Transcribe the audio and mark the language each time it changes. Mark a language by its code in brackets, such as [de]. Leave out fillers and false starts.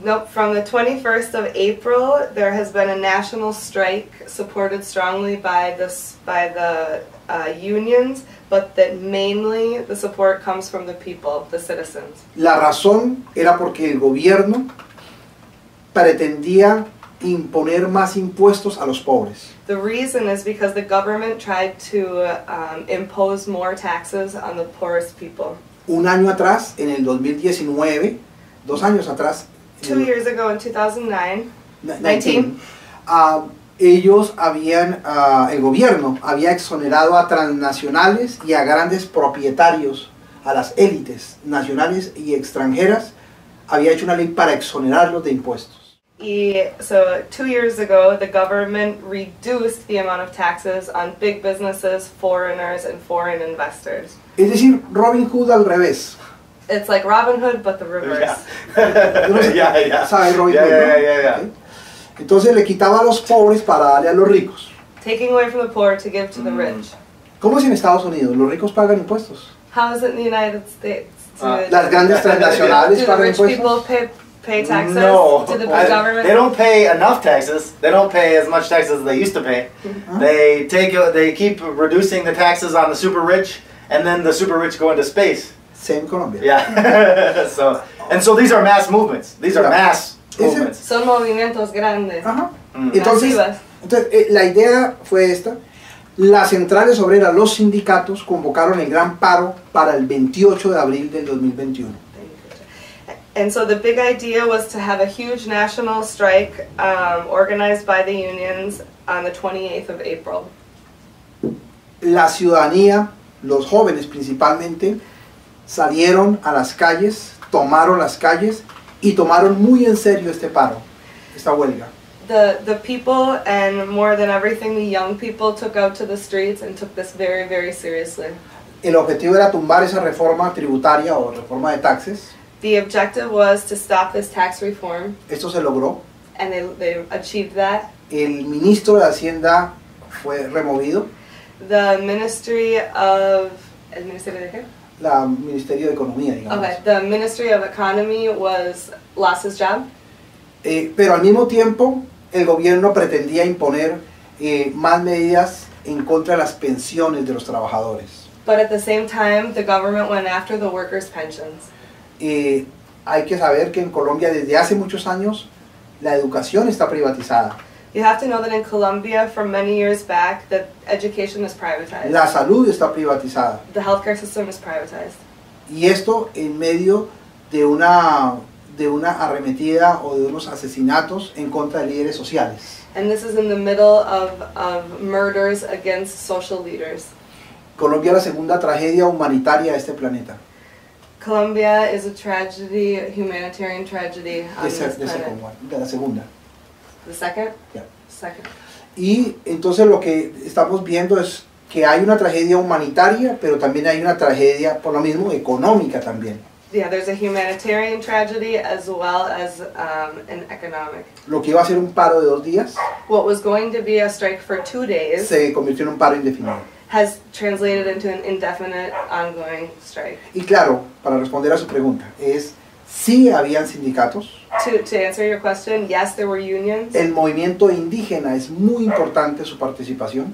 [en] From the 21st of April, there has been a national strike supported strongly by the unions, but that mainly the support comes from the people, the citizens. [es] La razón era porque el gobierno pretendía imponer más impuestos a los pobres. [en] The reason is because the government tried to impose more taxes on the poorest people. [es] Un año atrás, en el 2019, dos años atrás. [en] Two years ago, in 2019. [es] El gobierno había exonerado a transnacionales y a grandes propietarios, a las élites nacionales y extranjeras, había hecho una ley para exonerarlos de impuestos. [en] Y so 2 years ago, the government reduced the amount of taxes on big businesses, foreigners, and foreign investors. [es] Es decir, Robin Hood al revés. [en] It's like Robin Hood, but the reverse. Yeah, yeah, yeah. [es] ¿Sabe Robin [en] Yeah, yeah, yeah, yeah. Okay. [es] Entonces le quitaba a los pobres para darle a los ricos. [en] Taking away from the poor to give to the rich. [es] ¿Cómo es en Estados Unidos? Los ricos pagan impuestos. [en] How is it in the United States? [es] Las grandes transnacionales pagan impuestos. [en] Do the rich people pay taxes? No. To the government? They don't pay enough taxes. They don't pay as much taxes as they used to pay. Uh-huh. They keep reducing the taxes on the super rich, and then the super rich go into space. Same Colombia. Yeah. So these are mass movements. [es] Son movimientos grandes. Entonces, la idea fue esta. Las centrales obreras, los sindicatos, convocaron el gran paro para el 28 de abril del 2021. [en] And so the big idea was to have a huge national strike organized by the unions on the 28th of April. [es] La ciudadanía, los jóvenes principalmente, salieron a las calles, tomaron las calles y tomaron muy en serio este paro, esta huelga. [en] The people and more than everything the young people took out to the streets and took this very, very seriously. [es] El objetivo era tumbar esa reforma tributaria o reforma de taxes. [en] The objective was to stop this tax reform. [es] Esto se logró. [en] And they achieved that. [es] El ministro de Hacienda fue removido. [en] The Ministry of... [es] ¿El Ministerio de qué? La Ministerio de Economía, digamos. [en] Okay, the Ministry of Economy lost his job. [es] Pero al mismo tiempo, el gobierno pretendía imponer más medidas en contra de las pensiones de los trabajadores. [en] But at the same time, the government went after the workers' pensions. [es] Hay que saber que en Colombia desde hace muchos años la educación está privatizada. [en] You have to know that in Colombia, from many years back, that education is privatized. [es] La salud está privatizada. [en] The healthcare system is privatized. [es] Y esto en medio de una arremetida o de unos asesinatos en contra de líderes sociales. [en] And this is in the middle of murders against social leaders. [es] Colombia es la segunda tragedia humanitaria de este planeta. [en] Colombia is a tragedy, humanitarian tragedy on this planet. [es] De la segunda. [en] The second? [es] Y entonces lo que estamos viendo es que hay una tragedia humanitaria, pero también hay una tragedia, por lo mismo, económica también. [en] Yeah, there's a humanitarian tragedy as well as an economic. [es] Lo que iba a ser un paro de dos días. [en] What was going to be a strike for 2 days. [es] Se convirtió en un paro indefinido. [en] Has translated into an indefinite ongoing strike. [es] Y claro, para responder a su pregunta, es sí habían sindicatos. [en] To answer your question, yes, there were unions. [es] El movimiento indígena es muy importante su participación.